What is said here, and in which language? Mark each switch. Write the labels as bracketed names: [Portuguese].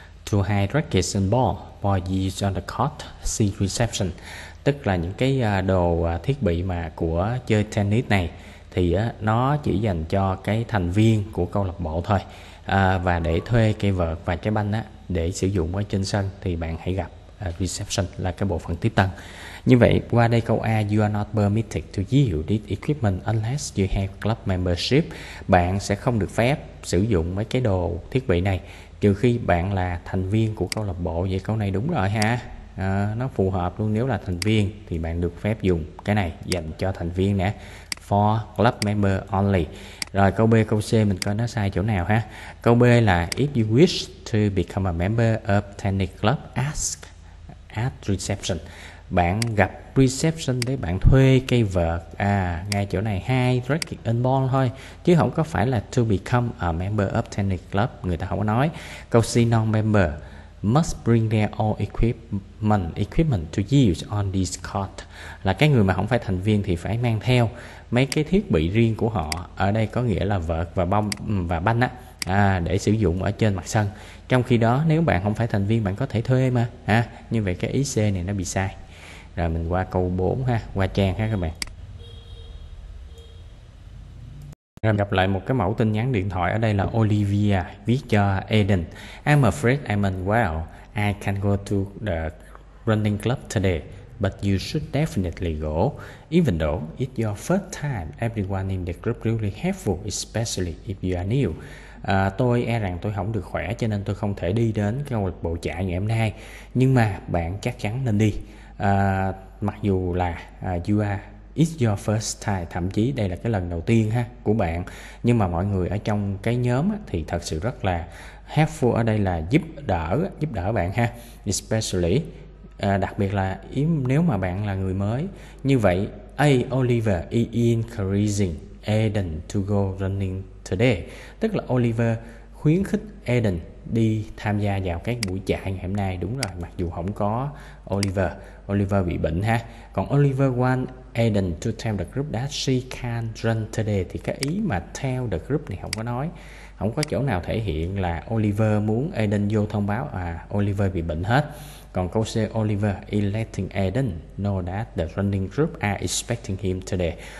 [English] To hide rackets and ball for use on the court, see reception. [Vietnamese] Tức là những cái đồ thiết bị mà của chơi tennis này thì nó chỉ dành cho cái thành viên của câu lạc bộ thôi. Và để thuê cây vợt và trái banh để sử dụng ở trên sân thì bạn hãy gặp reception, là cái bộ phận tiếp tân. Như vậy qua đây câu A, [English] you are not permitted to use this equipment unless you have club membership. [Vietnamese] Bạn sẽ không được phép sử dụng mấy cái đồ thiết bị này trừ khi bạn là thành viên của câu lạc bộ. Vậy câu này đúng rồi ha. Nó phù hợp luôn, nếu là thành viên thì bạn được phép dùng cái này dành cho thành viên nè, [English] for club member only. [Vietnamese] Rồi câu B, câu C mình coi nó sai chỗ nào ha. Câu B là [English] if you wish to become a member of tennis club, ask at reception. [Vietnamese] Bạn gặp reception để bạn thuê cây vợt, ngay chỗ này hai [English] racket and ball [Vietnamese] thôi, chứ không có phải là [English] to become a member of tennis club, [Vietnamese] người ta không có nói. Câu C, non member [English] must bring their own equipment to use on this court. [Vietnamese] Là cái người mà không phải thành viên thì phải mang theo mấy cái thiết bị riêng của họ, ở đây có nghĩa là vợt và bông và banh á, để sử dụng ở trên mặt sân. Trong khi đó nếu bạn không phải thành viên bạn có thể thuê mà ha. Như vậy cái ý C này nó bị sai. Rồi mình qua câu 4 ha, qua trang ha các bạn. Rồi gặp lại một cái mẫu tin nhắn điện thoại, ở đây là Olivia viết cho Eden. [English] I'm afraid I'm unwell. I can't go to the running club today, but you should definitely go. Even though it's your first time, everyone in the group really helpful, especially if you are new. [Vietnamese] Tôi e rằng tôi không được khỏe cho nên tôi không thể đi đến câu lạc bộ chạy ngày hôm nay. Nhưng mà bạn chắc chắn nên đi. Mặc dù là [English] you are, it's your first time, [Vietnamese] thậm chí đây là cái lần đầu tiên ha của bạn, nhưng mà mọi người ở trong cái nhóm thì thật sự rất là helpful, ở đây là giúp đỡ bạn ha, especially đặc biệt là nếu mà bạn là người mới. Như vậy A, [English] Oliver is encouraging Eden to go running today, [Vietnamese] tức là Oliver khuyến khích Eden đi tham gia vào các buổi chạy ngày hôm nay. Đúng rồi, mặc dù không có Oliver bị bệnh ha. Còn [English] Oliver want Eden to tell the group that she can't run today, [Vietnamese] thì cái ý mà tell the group này không có nói, không có chỗ nào thể hiện là Oliver muốn Eden vô thông báo Oliver bị bệnh hết. Còn câu C, [English] Oliver is letting Eden know that the running group are expecting him today.